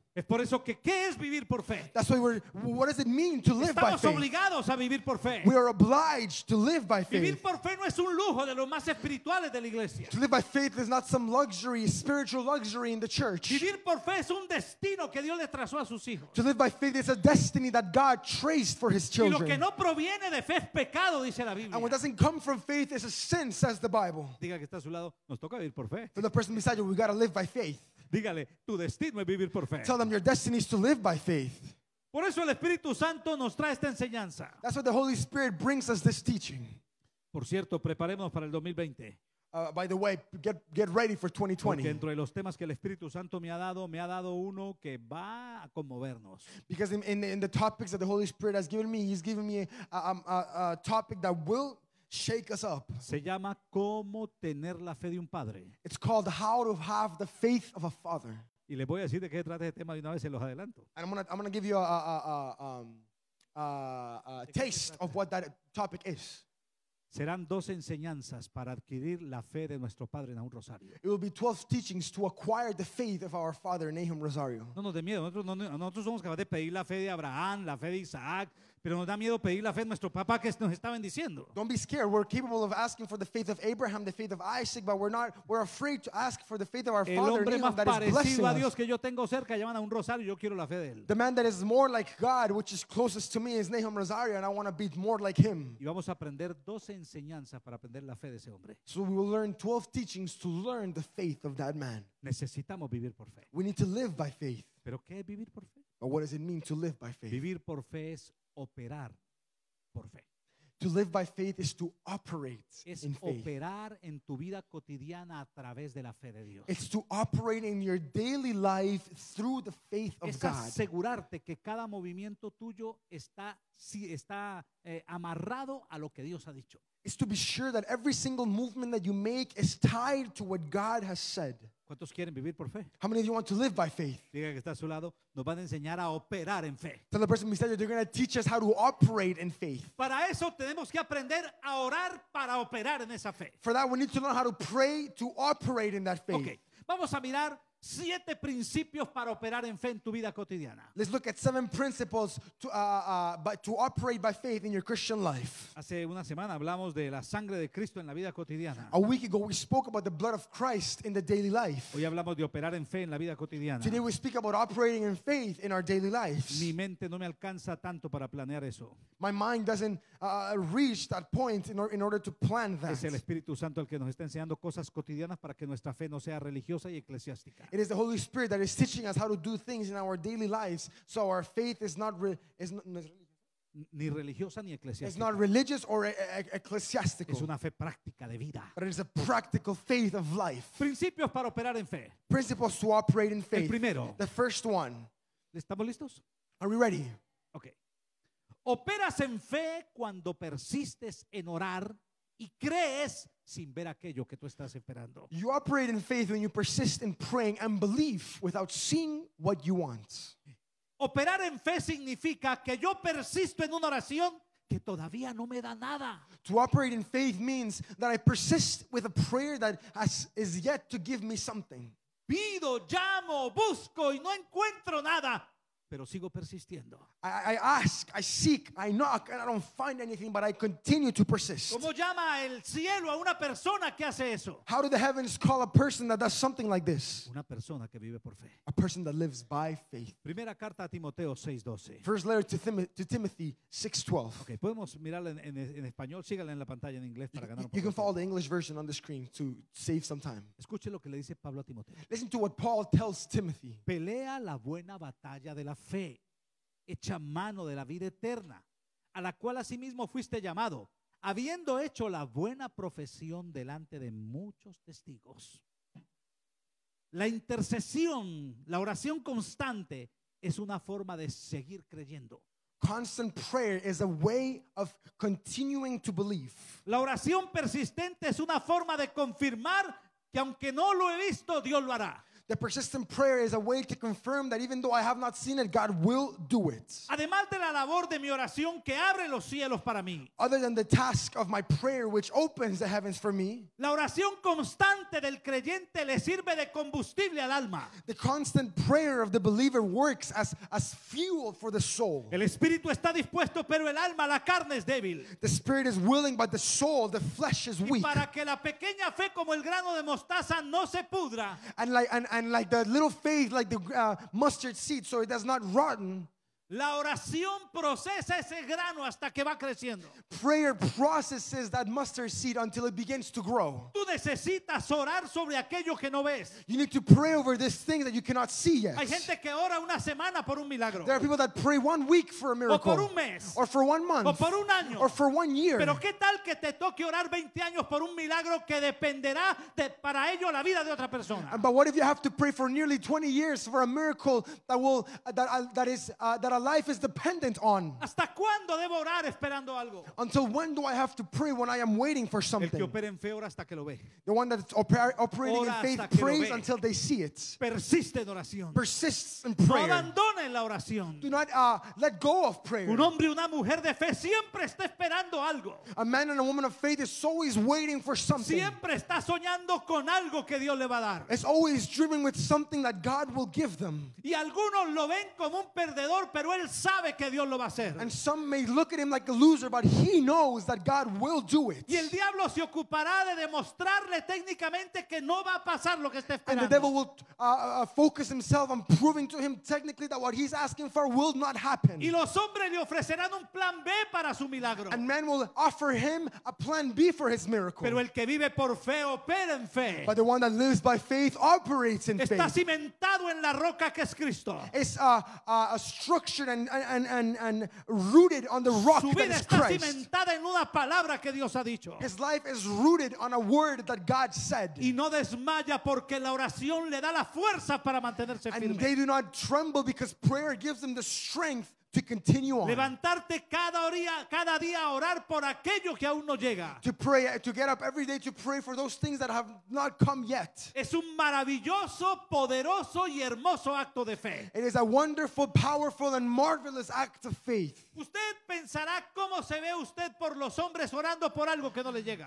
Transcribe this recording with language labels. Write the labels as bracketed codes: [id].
[es] Es por eso que ¿qué es vivir por fe? [en] That's why we're. What does it mean to live [es] Estamos [en] by faith? [es] Obligados a vivir por fe. [en] We are obliged to live by faith. [es] Vivir por fe no es un lujo de los más espirituales de la iglesia. [en] To live by faith is not some luxury, spiritual luxury in the church. [es] Vivir por fe es un destino que Dios le trazó a sus hijos. [en] To live by faith is a destiny that God traced for His children. [es] Y lo que no proviene de fe es pecado, dice la Biblia. [en] And what doesn't come from faith is a sin, says the Bible. [es] Diga que está a su lado, nos toca vivir por fe. [en] To the person beside you, we gotta live by faith. [es] Dígale, tu destino es vivir por fe. [en] Tell them your destiny is to live by faith. [es] Por eso el Espíritu Santo nos trae esta enseñanza. [en] That's what the Holy Spirit brings us, this teaching. [es] Por cierto, preparémonos para el 2020. [en] By the way, get ready for 2020. [es] Porque entre los temas que el Espíritu Santo me ha dado uno que va a conmovernos. [en] Because in the topics that the Holy Spirit has given me, he's given me a topic that will shake us up. [es] Se llama cómo tener la fe de un padre. [en] It's called how to have the faith of a father. [es] Y les voy a decir de qué trata este tema de una vez, se los adelanto. [en] And I'm gonna give you a taste of what that topic is. [es] Serán dos enseñanzas para adquirir la fe de nuestro padre Nahum Rosario. [en] It will be 12 teachings to acquire the faith of our father Nahum Rosario. [es] No nos dé miedo, nosotros somos capaces de pedir la fe de Abraham, la fe de Isaac, pero nos da miedo pedir la fe de nuestro papá que nos está bendiciendo. [en] Don't be scared. We're capable of asking for the faith of Abraham, the faith of Isaac, but we're afraid to ask for the faith of our father. [es] El hombre más parecido a Dios [en] us. [es] Que yo tengo cerca llaman a un Rosario, yo quiero la fe de él. [en] The man that is more like God, which is closest to me, is Nahum Rosario, and I want to be more like him. [es] Y vamos a aprender 12 enseñanzas para aprender la fe de ese hombre. [en] So we will learn 12 teachings to learn the faith of that man. [es] Necesitamos vivir por fe. [en] We need to live by faith. [es] ¿Pero qué es vivir por fe? [en] But what does it mean to live by faith? [es] Vivir por fe es operar por fe. [en] To live by faith is to operate [es] es [en] in faith. [es] Operar en tu vida cotidiana a través de la fe de Dios. [en] It's to operate in your daily life through the faith of [es] es [en] God. [es] Es asegurarte que cada movimiento tuyo está si está amarrado a lo que Dios ha dicho. [en] It's to be sure that every single movement that you make is tied to what God has said. [es] ¿Cuántos quieren vivir por fe? [en] How many of you want to live by faith? [es] Diga que está a su lado, nos van a enseñar a operar en fe. [en] Tell the person beside you, they're going to teach us how to operate in faith. [es] Para eso tenemos que aprender a orar para operar en esa fe. [en] For that, we need to learn how to pray to operate in that faith. [es] Okay, vamos a mirar siete principios para operar en fe en tu vida cotidiana. [en] Let's look at seven principles to operate by faith in your Christian life. [es] Hace una semana hablamos de la sangre de Cristo en la vida cotidiana. [en] A week ago we spoke about the blood of Christ in the daily life. [es] Hoy hablamos de operar en fe en la vida cotidiana. [en] Today we speak about operating in faith in our daily lives. [es] Mi mente no me alcanza tanto para planear eso. [en] My mind doesn't reach that point in order to plan that. [es] Es el Espíritu Santo el que nos está enseñando cosas cotidianas para que nuestra fe no sea religiosa y eclesiástica. [en] It is the Holy Spirit that is teaching us how to do things in our daily lives, so our faith is not [es] ni religiosa ni eclesiástica. [en] It's not religious or ecclesiastical. [es] Es una fe práctica de vida. [en] But it is a practical faith of life. [es] Principios para operar en fe. [en] Principles to operate in faith. [es] El primero. [en] The first one. [es] ¿Estamos listos? [en] Are we ready? Okay. [es] Operas en fe cuando persistes en orar y crees sin ver aquello que tú estás esperando. [en] You operate in faith when you persist in praying and believe without seeing what you want. [es] Operar en fe significa que yo persisto en una oración que todavía no me da nada. [en] To operate in faith means that I persist with a prayer that is yet to give me something. [es] Pido, llamo, busco y no encuentro nada, pero sigo persistiendo. [en] I ask, I seek, I knock, and I don't find anything, but I continue to persist. [es] ¿Cómo llama el cielo a una persona que hace eso? [en] How do the heavens call a person that does something like this? [es] Una persona que vive por fe. [en] A person that lives by faith. [es] Primera carta a Timoteo 6:12. [en] First letter to Timothy 6:12. [es] Okay, podemos mirarla en español. Sígala en la pantalla en inglés para ganar un poco. [en] You can follow the English version on the screen to save some time. [es] Escuche lo que le dice Pablo a Timoteo. [en] Listen to what Paul tells Timothy. [es] Pelea la buena batalla de la fe, echa mano de la vida eterna, a la cual asimismo fuiste llamado, habiendo hecho la buena profesión delante de muchos testigos. La intercesión, la oración constante, es una forma de seguir creyendo. [en] Constant prayer is a way of continuing to believe. [es] La oración persistente es una forma de confirmar que aunque no lo he visto, Dios lo hará. [en] The persistent prayer is a way to confirm that even though I have not seen it, God will do it. [es] Además de la labor de mi oración que abre los cielos para mí. [en] Other than the task of my prayer which opens the heavens for me. [es] La oración constante del creyente le sirve de combustible al alma. [en] The constant prayer of the believer works as fuel for the soul. [es] El espíritu está dispuesto, pero el alma, la carne es débil. [en] The spirit is willing, but the soul, the flesh is weak. [es] Y para que la pequeña fe como el grano de mostaza no se pudra. [en] And like the little faith, like the mustard seed, so it does not rotten. [es] La oración procesa ese grano hasta que va creciendo. [en] Prayer processes that mustard seed until it begins to grow. [es] Tú necesitas orar sobre aquello que no ves. [en] You need to pray over this thing that you cannot see yet. [es] Hay gente que ora una semana por un milagro. [en] There are people that pray 1 week for a miracle. [es] O por un mes. [en] Or for 1 month. [es] O por un año. [en] Or for 1 year. [es] Pero qué tal que te toque orar 20 años por un milagro que dependerá de, para ello la vida de otra persona. [en] But what if you have to pray for nearly 20 years for a miracle that will that a life is dependent on? [es] ¿Hasta cuándo debo orar esperando algo? [en] Until when do I have to pray when I am waiting for something? [es] El que opera en fe ora hasta que lo ve. [en] The one that's operating [es] ora [en] in faith prays until they see it. [es] Persiste en oración. [en] Persists in prayer. [es] No abandone la oración. [en] Do not let go of prayer. [es] Un hombre y una mujer de fe siempre está esperando algo. [en] A man and a woman of faith is always waiting for something. [es] Siempre está soñando con algo que Dios le va a dar. [en] It's always dreaming with something that God will give them. [es] Y algunos lo ven como un perdedor, pero él sabe que Dios lo va a hacer. [en] And some may look at him like a loser, but he knows that God will do it. [es] Y el diablo se ocupará de demostrarle técnicamente que no va a pasar lo que está esperando. [en] And the devil will focus himself on proving to him technically that what he's asking for will not happen. [es] Y los hombres le ofrecerán un plan B para su milagro. [en] And men will offer him a plan B for his miracle. [es] Pero el que vive por fe opera en fe. [en] But the one that lives by faith operates in [es] está [en] faith. [es] Está cimentado en la roca que es Cristo. [en] It's a structured and rooted on the rock that is Christ. [es] Cimentada en una palabra que Dios ha dicho. [en] His life is rooted on a word that God said. [es] Y no desmaya porque la oración le da la fuerza para mantenerse firme. [en] And they do not tremble because prayer gives them the strength to continue on. [es] Levantarte cada día a orar por aquello que aún no llega. [en] To pray, to get up every day to pray for those things that have not come yet. [es] Es un maravilloso, poderoso y hermoso acto de fe. [en] It is a wonderful, powerful and marvelous act of faith. [es] Usted pensará cómo se ve usted por los hombres orando por algo que no le llega.